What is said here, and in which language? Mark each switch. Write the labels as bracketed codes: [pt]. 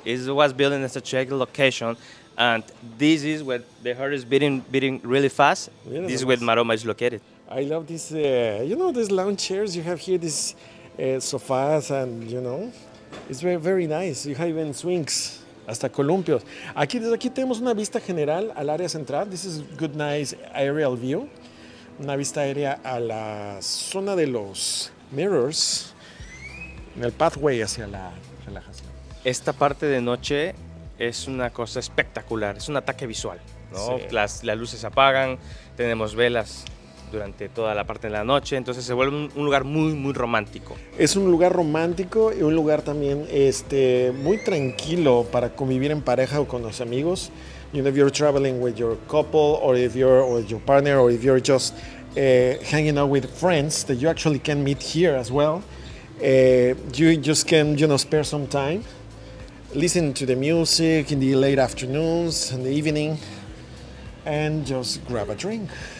[en] It was built in a strategic location, and this is where the heart is beating really fast. Yeah, this is where Maroma is located. I love this, you know, these lounge chairs you have here, these sofas, and you know, it's very, very nice. You have even swings. [es] Hasta columpios. Aquí, desde aquí tenemos una vista general al área central. [en] This is good, nice aerial view. [es] Una vista aérea a la zona de los mirrors, en el pathway hacia la relajación. Esta parte de noche es una cosa espectacular. Es un ataque visual, ¿no? Sí. Las luces se apagan, tenemos velas durante toda la parte de la noche, entonces se vuelve un lugar muy, muy romántico. Es un lugar romántico y un lugar también muy tranquilo para convivir en pareja o con los amigos. [en] You know, if you're traveling with your couple or if you're with your partner or if you're just hanging out with friends that you actually can meet here as well, you just can, you know, spare some time listening to the music in the late afternoons and the evening and just grab a drink.